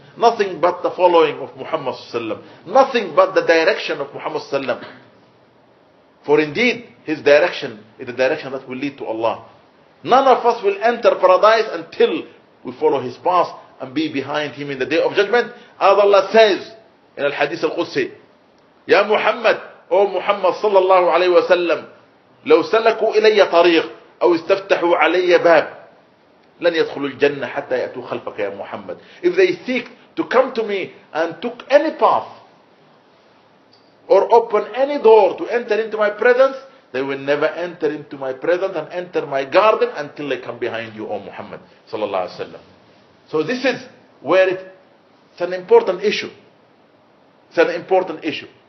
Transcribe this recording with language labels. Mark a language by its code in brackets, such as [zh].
[en] Nothing but the following of Muhammad sallallahu alayhi wa sallam. Nothing but the direction of Muhammad sallallahu alayhi wa sallam. For indeed, his direction is the direction that will lead to Allah. None of us will enter paradise until we follow his path and be behind him in the day of judgment. As Allah says in al-Hadith al-Qudsi, Ya Muhammad, O Muhammad sallallahu alayhi wa sallam, [ar] لو سلكوا إلي طريق أو استفتحوا علي باب لن يدخلوا الجنة حتى يأتوا خلفك يا محمد. [en] If they seek to come to me and took any path or open any door to enter into my presence, they will never enter into my presence and enter my garden until they come behind you, O Muhammad sallallahu alaihi wasallam. So this is where it's an important issue. It's an important issue.